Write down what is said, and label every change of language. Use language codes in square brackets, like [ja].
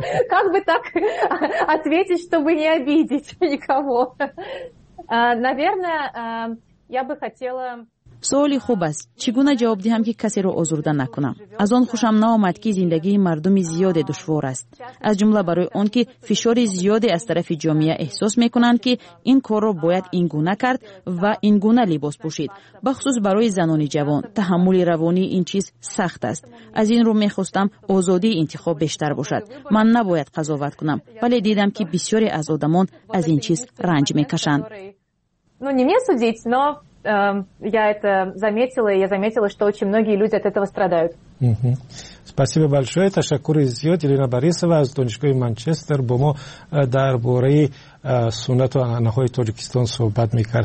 [ru] Как бы так ответить, чтобы не обидеть никого? Наверное... Я бы хотела [fa] سوالی خوب است. چگونه جواب دهم که کسی رو آزرده نکنم؟ از آن خوشم نامد که زندگی مردم زیاد دشوار است. از جمله برای آن که فشار زیاد از طرف جامعه احساس میکنند که این کار رو باید این گونه کرد و این گونه لباس پوشید. بخصوص برای زنان جوان تحمل روانی این چیز سخت است. از این رو میخواستم آزادی انتخاب بیشتر باشد. من نباید قضاوت کنم، ولی دیدم که بسیاری از آدمان از این چیز رنج میکشند. [ru] Ну, не мне судить, но я это заметила, и я заметила, что очень многие люди от этого страдают. Спасибо большое. [tg] Ташакур изъед, Елена Борисова, из Донечкой Манчестер, Бомо, Дарбурей, Сунату, Анахой, Таджикистан, Собад, Микар.